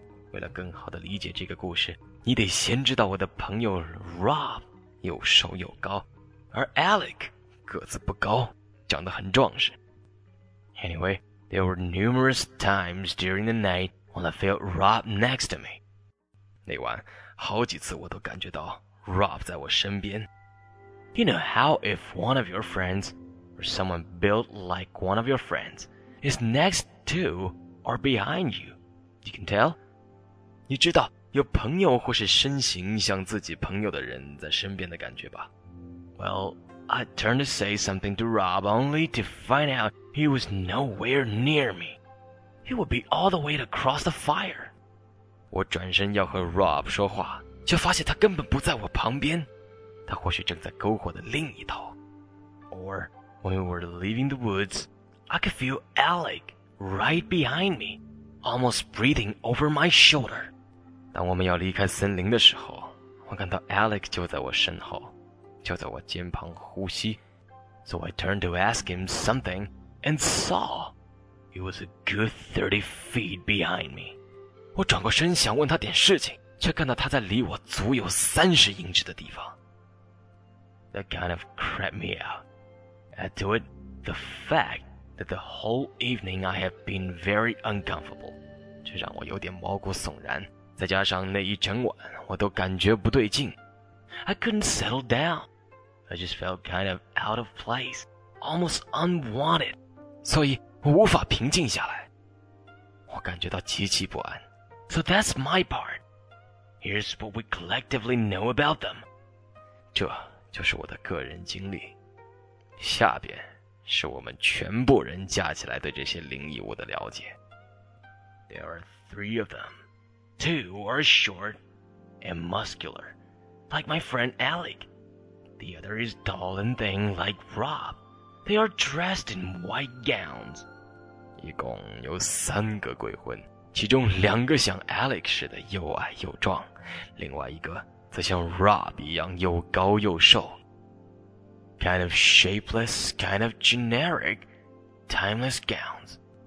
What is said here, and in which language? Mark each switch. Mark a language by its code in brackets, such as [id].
[zh] 为了更好地理解这个故事，你得先知道我的朋友 Rob 又瘦又高，而 Alec 个子不高，长得很壮实。Anyway, [en] There were numerous times during the night when I felt Rob next to me. [zh] 那晚好几次我都感觉到 Rob 在我身边。 [en] You know how if one of your friends or someone built like one of your friends is next to or behind you, you can tell? [zh] 你知道有朋友或是身形像自己朋友的人在身边的感觉吧。 [en] Well, I turned to say something to Rob only to find out he was nowhere near me. He would be all the way across the fire. [zh] 我转身要和 Rob 说话，却发现他根本不在我旁边。他或许正在篝火的另一头。 [en] Or when we were leaving the woods, I could feel Alec right behind me, almost breathing over my shoulder. [zh] 当我们要离开森林的时候，我看到 Alec 就在我身后，就在我肩旁呼吸。 [en] So I turned to ask him something and saw he was a good 30 feet behind me. [zh] 我转过身想问他点事情，却看到他在离我足有30英尺的地方。 [en] That kind of creeped me out. Add to it the fact that the whole evening I have been very uncomfortable. [zh] 这让我有点毛骨悚然，再加上那一整晚我都感觉不对劲。 [en] I couldn't settle down. I just felt kind of out of place, almost unwanted. [zh] 所以我无法平静下来。我感觉到极其不安。 [en] So that's my part. Here's what we collectively know about them. [zh] 这就是我的个人经历，下边是我们全部人加起来对这些灵异物的了解。 [en] There are three of them. Two are short and muscular, like my friend Alec. The other is tall and thin, like Rob. They are dressed in white gowns. [zh] 一共有三个鬼魂，其中两个像 Alec 似的又矮又壮，另外一个则像 Rob 一样又高又瘦。 [en] Kind of shapeless, kind of generic, timeless gowns.